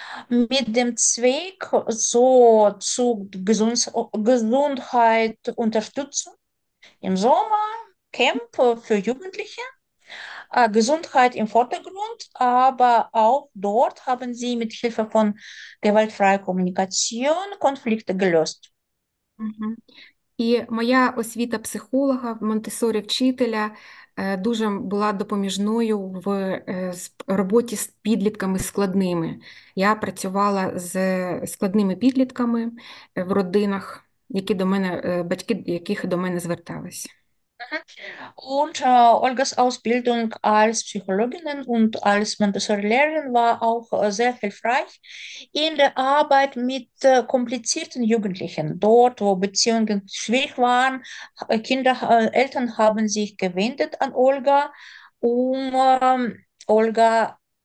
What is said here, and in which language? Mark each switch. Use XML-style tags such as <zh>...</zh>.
<de>Mit dem Zweck, so zu Gesundheit Unterstützung im Sommer, Camp für Jugendliche, Gesundheit im Vordergrund, aber auch dort haben sie mit Hilfe von gewaltfreier Kommunikation Konflikte gelöst.</de> <uk>І моя освіта психолога, Монтесорі вчителя, дуже була допоміжною в роботі з підлітками складними. Я працювала з складними підлітками в родинах, які до мене, батьки яких до мене звертались.</uk> <de>Und Olgas Ausbildung als Psychologin und als Montessori-Lehrerin war auch sehr hilfreich in der Arbeit mit komplizierten Jugendlichen. Dort, wo Beziehungen schwierig waren, Eltern haben sich gewendet an Olga, um Olga</de>